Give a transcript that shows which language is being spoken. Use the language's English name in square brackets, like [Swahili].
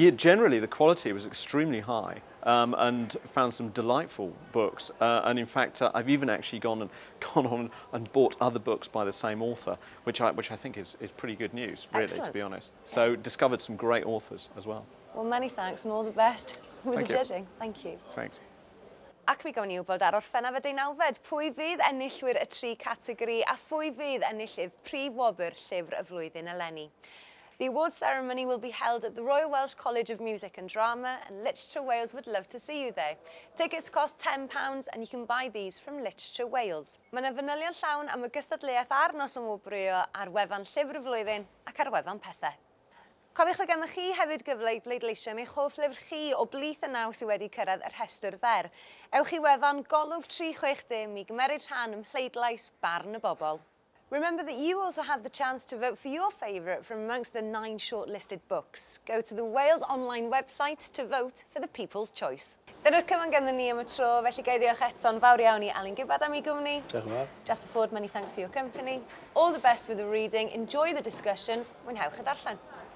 [English] Yeah, generally, the quality was extremely high. And found some delightful books. And in fact, I've even actually gone on and bought other books by the same author, which I think is pretty good news, really. Excellent. To be honest. So discovered some great authors as well. Well, many thanks and all the best with Thank the you. Judging. Thank you. Thanks. [Welsh] Ac mi gofyn i wybod ar orffennaf y deunawfed, pwy fydd enillwyr y tri categori a phwy fydd enillydd prif wobr Llyfr y Flwyddyn eleni. [English] The awards ceremony will be held at the Royal Welsh College of Music and Drama, and Literature Wales would love to see you there. Tickets cost £10 and you can buy these from Literature Wales. [Welsh] Mae yna fanylion llawn am y gystadleuaeth ar Nos Ymwybrio ar wefan Llyfr y Flwyddyn ac ar wefan Pethe. Cofiwch fod ganddo chi hefyd gyfle i bleidleisio am eich hoff lyfr chi o blith y naw sydd wedi cyrraedd y rhestr fer. Ewch i wefan golwg 360 i gymeryd rhan ym mhleidlais Barn y Bobol. [English] Remember that you also have the chance to vote for your favourite from amongst the 9 shortlisted books. Go to the Wales online website to vote for the People's Choice. [Welsh] Dyna'r cyfan gynny ni am y tro, felly gau ddiolch eto'n fawr iawn i Alun Gibbard am ei gwmni. Diolch yn fawr. [English] Jasper Fforde, many thanks for your company. All the best with the reading. Enjoy the discussions. [Welsh] Mwynhewch y darllen.